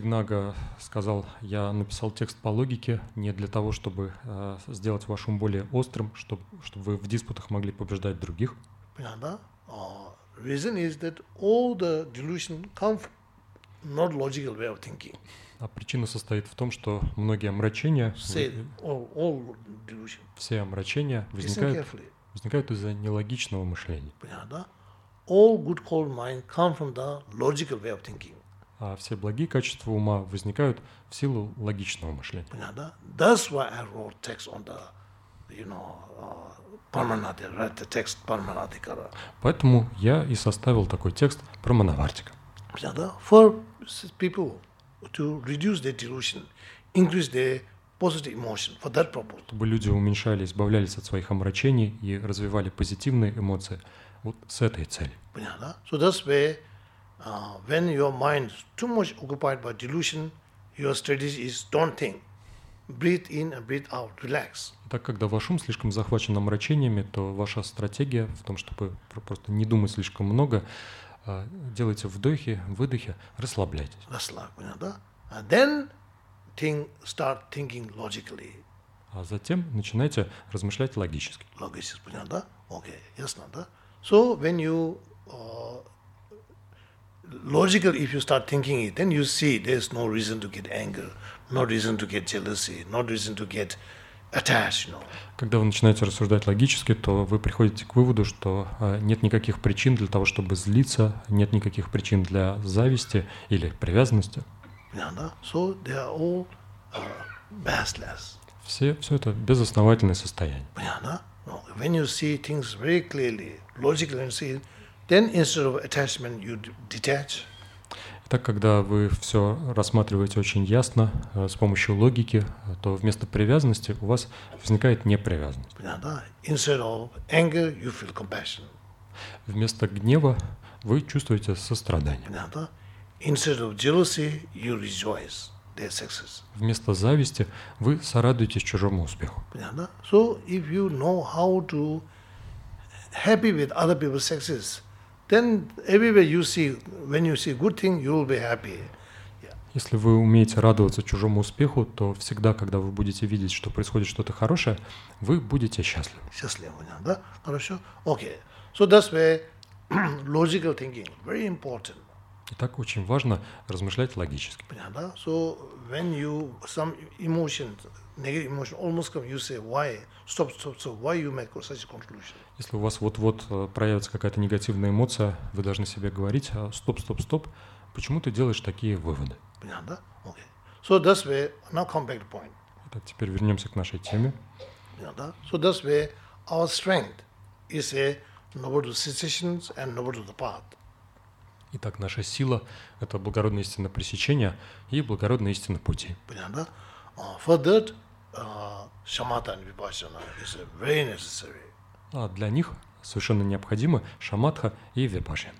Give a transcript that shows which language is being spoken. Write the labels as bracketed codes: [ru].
[ru] Дигнага сказал, я написал текст по логике не для того, чтобы сделать ваш ум более острым, чтобы вы в диспутах могли побеждать других. Понятно? [en] Reason is that all the delusion comes not logical way of thinking. [ru] А причина состоит в том, что многие омрачения, все омрачения возникают из-за нелогичного мышления. Понятно? [en] All good cold mind come from the logical way of thinking. [ru] А все благие качества ума возникают в силу логичного мышления. Понятно? [en] That's why I wrote text on the, you know, Paramanadi, write the text Paramanadikara. [ru] Поэтому я и составил такой текст про Манавартика. Понятно? [en] For people to reduce their delusion, increase their positive emotion for that purpose. [ru] Чтобы люди уменьшали, избавлялись от своих омрачений и развивали позитивные эмоции. Вот с этой целью. Понятно? [en] So that's why, when your mind is too much occupied by delusion, your strategy is don't think. Breathe in and breathe out, relax. [ru] Так, когда ваш ум слишком захвачен омрачениями, то ваша стратегия в том, чтобы просто не думать слишком много, делайте вдохи, выдохи, расслабляйтесь. Понятно? [en] And then start thinking logically. [ru] А затем начинайте размышлять логически. Логически, понятно, да? Окей, ясно, да? [en] So when you logically, if you start thinking it, then you see there's no reason to get anger, no reason to get jealousy, no reason to get attached, you know. [ru] Когда вы начинаете рассуждать логически, то вы приходите к выводу, что нет никаких причин для того, чтобы злиться, нет никаких причин для зависти или привязанности. [en] So they are all baseless. [ru] Все это безосновательное состояние. Понятно? [en] When you see things very clearly, logically and see, then instead of attachment you detach. [ru] Итак, когда вы все рассматриваете очень ясно, с помощью логики, то вместо привязанности у вас возникает непривязанность. Понятно? [en] Instead of anger, you feel compassion. [ru] Вместо гнева вы чувствуете сострадание. Понятно? [en] Instead of jealousy, you rejoice their success. [ru] Вместо зависти вы сорадуетесь чужому успеху. Понятно? [en] So if you know how to happy with other people's success, then everywhere you see, when you see good thing, you will be happy. Yeah. [ru] Если вы умеете радоваться чужому успеху, то всегда, когда вы будете видеть, что происходит что-то хорошее, вы будете счастливы. Счастливы, понятно, да? Хорошо? [en] Okay. So that's where logical thinking very important. [ru] Итак, очень важно размышлять логически. Понятно? [en] So when you some emotion, negative emotion almost come, you say why? Stop. Why you make such a conclusion? [ru] Если у вас вот-вот проявится какая-то негативная эмоция, вы должны себе говорить: стоп. Почему ты делаешь такие выводы? Понятно? [en] Okay. So that's where now come back to point. [ru] Итак, теперь вернемся к нашей теме. Понятно? [en] So that's where our strength is a noble to situations and noble to the path. [ru] Итак, наша сила – это благородная истина пресечения и благородная истина пути. Понятно? [en] For that, shamatha and vipassana is very necessary. [ru] А для них совершенно необходимы шамадха и випашана.